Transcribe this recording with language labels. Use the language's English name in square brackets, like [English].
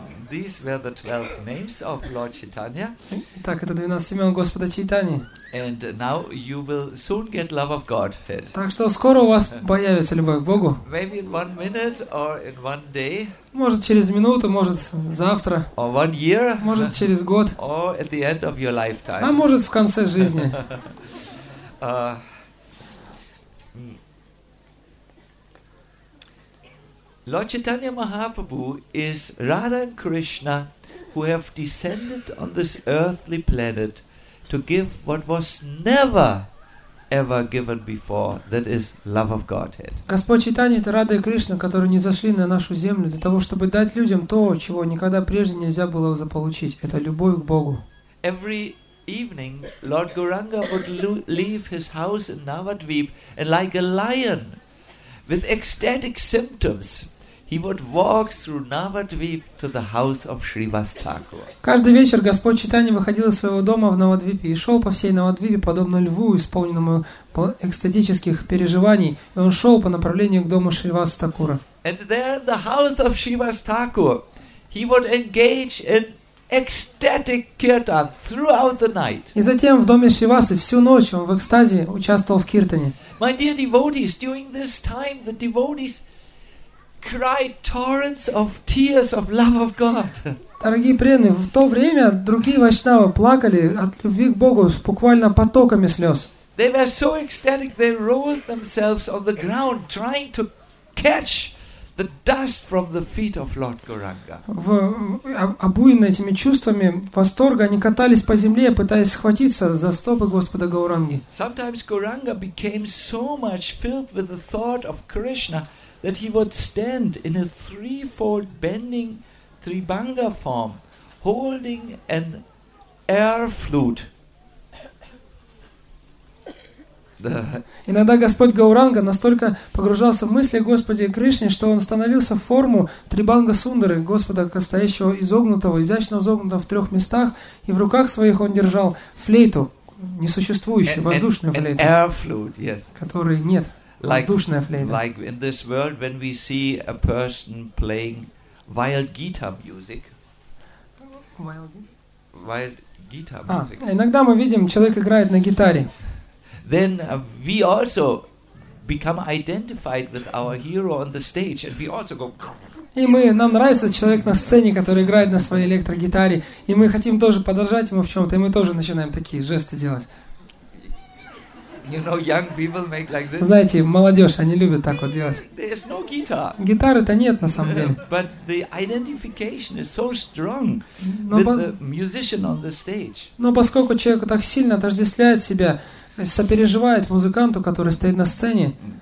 [English] These were the 12 names of Lord Chaitanya. [Russian] Итак, это 12 имен Господа Чайтани. [English] And now you will soon get love of Godhead. [Russian] Так что скоро у вас появится любовь к Богу. [English] Maybe in 1 minute or in 1 day. [Russian] Может через минуту, может завтра. [English] Or 1 year. [Russian] Может через год. [English] Or at the end of your lifetime. [Russian] А может в конце жизни. [English] Lord Chaitanya Mahaprabhu is Radha and Krishna who have descended on this earthly planet to give what was never ever given before, that is love of Godhead. [Russian] Господь Чайтанья — это Рада и Кришна, которые не зашли на нашу землю для того, чтобы дать людям то, чего никогда прежде нельзя было заполучить. Это любовь к Богу. [English] Every evening, Lord Gauranga would leave his house in Navadvip and like a lion, with ecstatic symptoms, he would walk through Navadvip to the house of Shrivas Thakur. [Russian] Каждый вечер Господь Чайтанья выходил из своего дома в Навадвипе и шел по всей Навадвипе, подобно льву, исполненному экстатических переживаний, и он шел по направлению к дому Шривас Такура. [English] And there, in the house of Shrivas Thakur, he would engage in ecstatic kirtan throughout the night. [Russian] И затем в доме Шривасы всю ночь он в экстазе участвовал в киртане. [English] My dear devotees, during this time, the devotees cried torrents of tears of love of God. [Russian] Дорогие преданные, в то время другие вайшнавы плакали от любви к Богу буквально потоками слез. [English] They were so ecstatic, they rolled themselves on the ground, trying to catch the dust from the feet of Lord Gauranga. [Russian] В обуянные этими чувствами восторга они катались по земле, пытаясь схватиться за стопы Господа Гауранги. [English] Sometimes Gauranga became so much filled with the thought of Krishna that he would stand in a threefold bending tribhanga form, holding an air flute. [Russian] Иногда Господь Гауранга настолько погружался в мысли Господи Кришне, что он становился в форму Трибанга Сундары, Господа, стоящего изогнутого, изящно изогнутого в трех местах, и в руках своих он держал флейту, несуществующую, воздушную флейту. [English] An air flute, yes. [Russian] Которой нет, воздушная флейта. [English] Like in this world, when we see a person playing wild guitar music. Wild guitar music. [Russian] Иногда мы видим, человек играет на гитаре. [English] Then we also become identified with our hero on the stage, and we also go. [Russian] И мы, нам нравится человек на сцене, который играет на своей электрогитаре, и мы хотим тоже подражать ему в чем-то, и мы тоже начинаем такие жесты делать. [English] You know, young people make like this. [Russian] Знаете, молодежь, они любят так вот делать. [English] There's no guitar. [Russian] Гитары-то нет на самом деле. [English] But the identification is so strong with the musician on the stage. [Russian] Но поскольку человек так сильно отождествляет себя, сопереживает музыканту, который стоит на сцене.